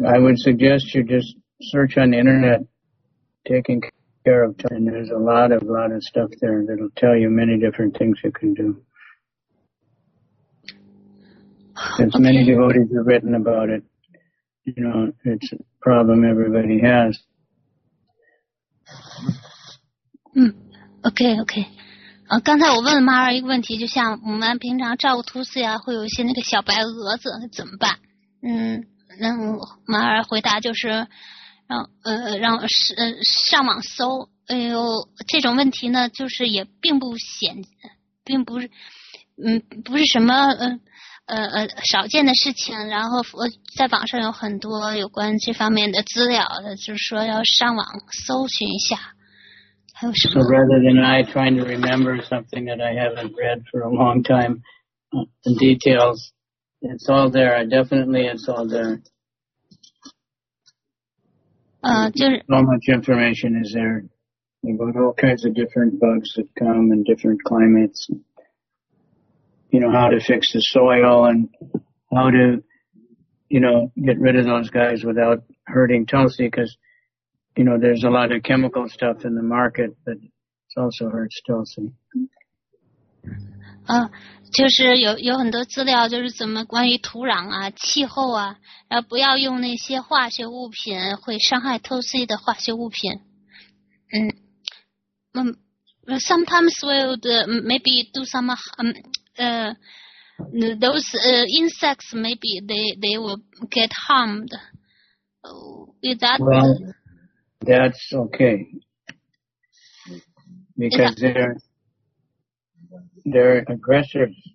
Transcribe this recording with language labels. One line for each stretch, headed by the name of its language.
English: I would suggest you just search on the internet, taking care of time. And there's a lot of stuff there that'll tell you many different things you can do. Since many devotees have written about it, you know, it's a problem everybody has. Okay.
Chinese: 刚才我问了妈妈一个问题，就像我们平常照顾兔子呀，会有一些那个小白蛾子，那怎么办？然后妈妈回答就是，让上网搜。哎呦，这种问题呢，就是也并不显，并不是，不是什么少见的事情。然后我在网上有很多有关这方面的资料的，就是说要上网搜寻一下。
English: So rather than I trying to remember something that I haven't read for a long time, the details, it's all there. Definitely it's all there. So much information is there about all kinds of different bugs that come and different climates. You know, how to fix the soil and how to, you know, get rid of those guys without hurting Tulsi because... You know, there's a lot of chemical stuff in the market, but it also hurts Tulsi.
Chinese: 就是有很多资料，就是怎么关于土壤啊、气候啊，然后不要用那些化学物品，会伤害 Tulsi 的化学物品。
English: Sometimes we'll maybe do some, those insects maybe they will get harmed. Is that? That's okay, because they're aggressive.